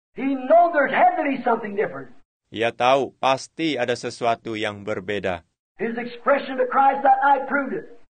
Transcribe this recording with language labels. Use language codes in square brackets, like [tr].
[en] He knows there had to be something different. [id] Ia tahu pasti ada sesuatu yang berbeda. [en] His expression to Christ that night proved it.